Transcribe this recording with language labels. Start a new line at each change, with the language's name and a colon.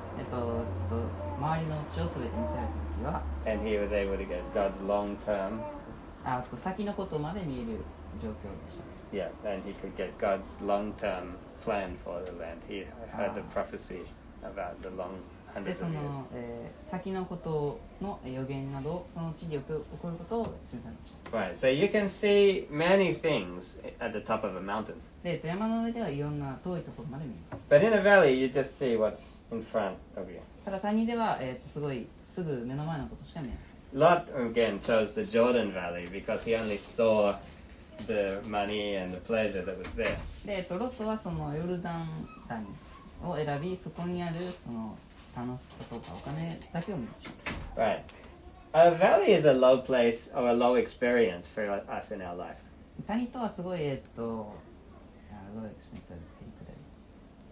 Japanese: 周りの地をすべて見せられたときは。
English: And he was able to get God's long-term.
Japanese: 先のことまで見える状況でした。
English: Yeah, and he could get God's long-term plan for the land. He heard the prophecy about the long-term hundreds of years.
Japanese: で、その、先のことの予言など、その地に起こることを示されました。
English: Right, so you can see many things at the top of a mountain.
Japanese: で、富山の上ではいろんな遠いところまで見えます。
English: But in a valley, you just see what's in front of you.
Japanese: ただ、谷では、すごいすぐ目の前のことしか見えません。
English: Lot again chose the Jordan Valley because he only saw the money and the pleasure that was there.
Japanese: で、ロットはそのヨルダン谷を選び、そこにあるその楽しさとかお金だけを見ました。
English: Right. A valley is a low place or a low experience for us in our life.
Japanese: 谷とはすごい、
English: low experience
Japanese: を見ることができ